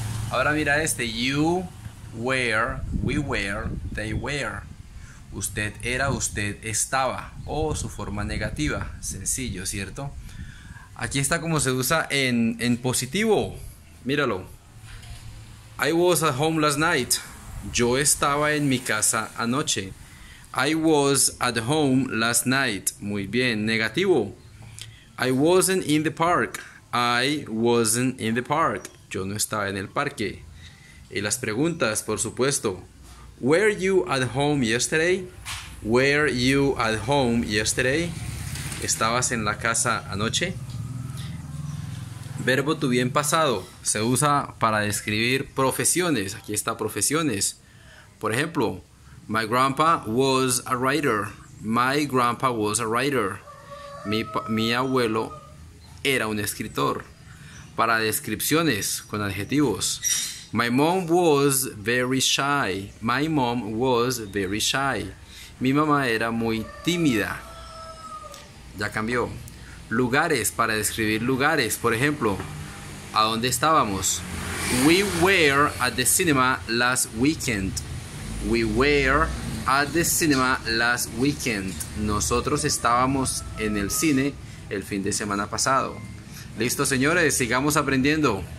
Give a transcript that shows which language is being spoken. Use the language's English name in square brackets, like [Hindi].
[Spanish] Ahora mira este, [English] you were, we were, they were. [Spanish] Usted era, usted estaba, o su forma negativa, sencillo, ¿cierto? Aquí está como se usa en positivo, míralo. [English] I was at home last night. [Spanish] Yo estaba en mi casa anoche. [English] I was at home last night. [Spanish] Muy bien, negativo. [English] I wasn't in the park. I wasn't in the park. [Spanish] Yo no estaba en el parque. Y las preguntas, por supuesto. [English] Were you at home yesterday? Were you at home yesterday? [Spanish] ¿Estabas en la casa anoche? Verbo to be en pasado. Se usa para describir profesiones. Aquí está profesiones. Por ejemplo, [English] my grandpa was a writer. My grandpa was a writer. [Spanish] Mi abuelo era un escritor. Para descripciones con adjetivos. [English] My mom was very shy. My mom was very shy. [Spanish] Mi mamá era muy tímida. Ya cambió. Lugares, para describir lugares. Por ejemplo, ¿a dónde estábamos? [English] We were at the cinema last weekend. We were at the cinema last weekend. [Spanish] Nosotros estábamos en el cine el fin de semana pasado. Listo, señores, sigamos aprendiendo.